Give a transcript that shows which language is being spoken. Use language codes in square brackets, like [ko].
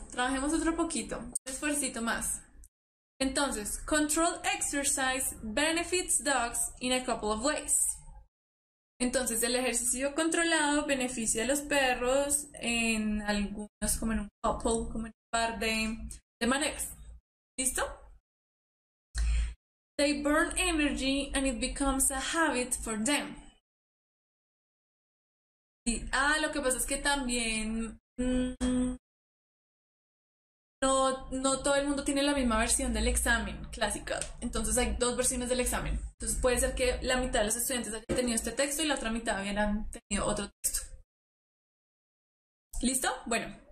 [es] Trabajemos otro poquito, un esfuercito más. Entonces, [en] control exercise benefits dogs in a couple of ways. [es] Entonces, el ejercicio controlado beneficia a los perros en algunos, como en un couple, como en un par de maneras. ¿Listo? [en] They burn energy and it becomes a habit for them. [es] Sí. Ah, lo que pasa es que también no todo el mundo tiene la misma versión del examen clásico. Entonces hay dos versiones del examen. Entonces puede ser que la mitad de los estudiantes hayan tenido este texto y la otra mitad hubieran tenido otro texto. ¿Listo? Bueno.